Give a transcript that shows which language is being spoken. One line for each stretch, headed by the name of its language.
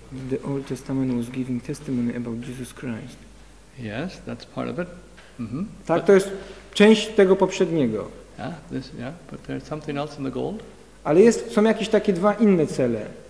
English: The Old Testament was giving testimony about Jesus Christ. Yes, that's part of it. Mm-hmm.
Polish: Tak, to jest część tego poprzedniego.
English: Yeah, this, yeah, but there's something else in the goal.
Polish: Ale jest, są jakieś takie dwa inne cele.